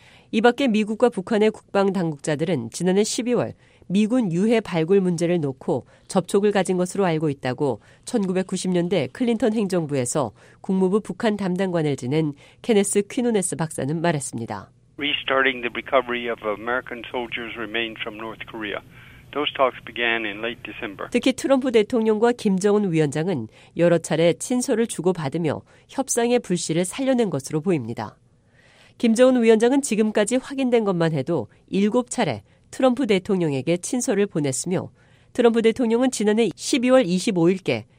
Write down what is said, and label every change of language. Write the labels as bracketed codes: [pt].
[ko] 이 밖에 미국과 북한의 국방 당국자들은 지난해 12월 미군 유해 발굴 문제를 놓고 접촉을 가진 것으로 알고 있다고 1990년대 클린턴 행정부에서 국무부 북한 담당관을 지낸 케네스 퀴노네스 박사는 말했습니다. [en] Restarting the recovery of American soldiers remained from North Korea. Those talks began in late December. [ko] 특히 트럼프 대통령과 김정은 위원장은 여러 차례 친서를 주고받으며 협상의 불씨를 살려낸 것으로 보입니다. 김정은 위원장은 지금까지 확인된 것만 해도 7차례 트럼프 대통령에게 친서를 보냈으며 트럼프 대통령은 지난해 12월 25일께